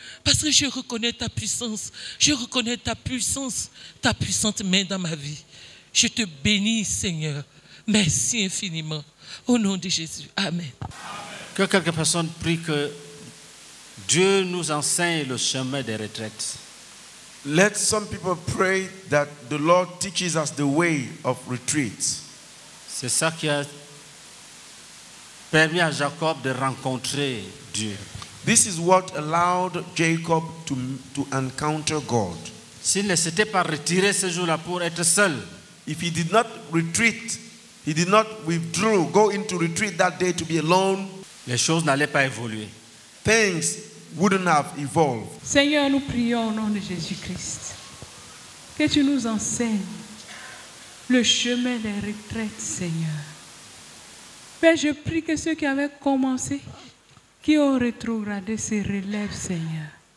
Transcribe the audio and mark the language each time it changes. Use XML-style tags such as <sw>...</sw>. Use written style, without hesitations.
<fr>Parce que je reconnais ta puissance. Je reconnais ta puissance, ta puissante main dans ma vie. Je te bénis, Seigneur. Merci infiniment. Au nom de Jésus. Amen. Que quelques personnes prient que Dieu nous enseigne le chemin des retraites.</fr> <en>Let some people pray that the Lord teaches us the way of retreat.</en> <fr>C'est ça qui a permis à Jacob de rencontrer Dieu.</fr> <en>This is what allowed Jacob to encounter God.</en> <fr>S'il ne s'était pas retiré ce jour-là pour être seul,</fr> <en>if he did not retreat, he did not withdraw, go into retreat that day to be alone,</en> <fr>les choses n'allaient pas évoluer.</fr> <en>Things wouldn't have evolved.</en> <fr>Seigneur, nous prions au nom de Jésus-Christ que tu nous enseignes le chemin des retraites, Seigneur. Père, je prie que ceux qui avaient commencé, qui ont rétrogradé, se relèvent, Seigneur.</fr>